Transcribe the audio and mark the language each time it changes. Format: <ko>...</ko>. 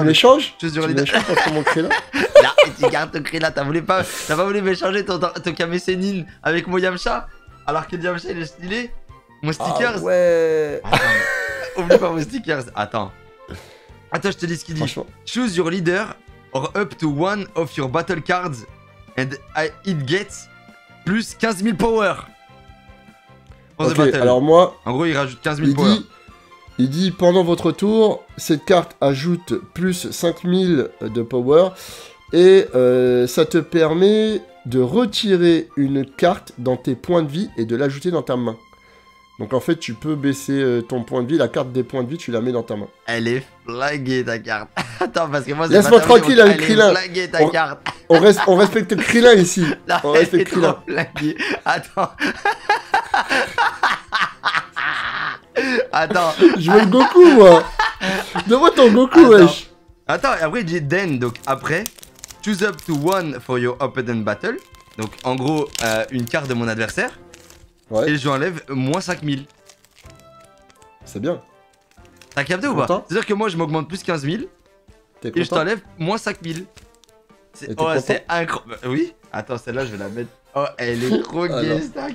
<fr>Tu me l'échanges? Je te jure, l'idée. Tu me l'échanges mon Krilin? Tu gardes ton Krilin, t'as pas voulu m'échanger ton Kame Sennin avec mon Yamcha, alors que Yamcha il est stylé. Mon sticker. Ah ouais. Oublie pas mon sticker. Attends, je te dis ce qu'il dit.</fr> <en>Choose your leader or up to one of your battle cards and it gets plus 15 000 power.</en> <fr>Ok, alors moi. En gros, il rajoute 15 000 power. Il dit pendant votre tour, cette carte ajoute plus 5 000 de power. Et ça te permet de retirer une carte dans tes points de vie et de l'ajouter dans ta main. Donc en fait, tu peux baisser ton point de vie, la carte des points de vie, tu la mets dans ta main. Elle est flinguée ta carte. Attends, parce que moi, laisse-moi tranquille avec Krilin. Elle est flinguée ta carte. On respecte Krilin ici. Non, on respecte elle est trop flinguée. Attends. Attends. Je veux le Goku, moi. Donne-moi ton Goku, wesh. Attends, et après, il dit Den, donc après.</fr> <en>Choose up to one for your opponent battle.</en> <fr>Donc en gros, une carte de mon adversaire. Ouais. Et j'enlève moins 5000. C'est bien. T'as capté ou pas? C'est-à-dire que moi je m'augmente plus 15 000. T'es content? Et je t'enlève moins 5000. C'est... Oh, c'est incroyable. Oui. Attends, celle-là je vais la mettre. Oh, elle est trop gaze.</fr>